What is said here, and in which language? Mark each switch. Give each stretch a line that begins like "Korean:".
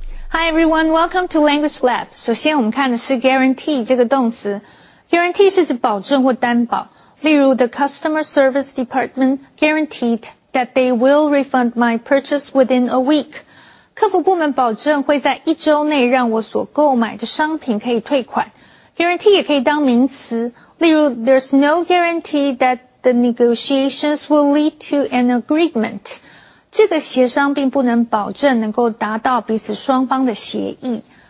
English: Hi everyone, welcome to Language Lab.
Chinese: 首先我们看的是 guarantee 这个动词。
English: Guarantee
Chinese: 是指保证或担保，例如
English: The customer service department guaranteed that they will refund my purchase within a week.
Chinese: 客服部门保证会在一周内让我所购买的商品可以退款。
English: Guarantee
Chinese: 也可以当名词，例如
English: There's no guarantee that the negotiations will lead to an agreement.
Chinese: 这个协商并不能保证能够达到彼此双方的协议。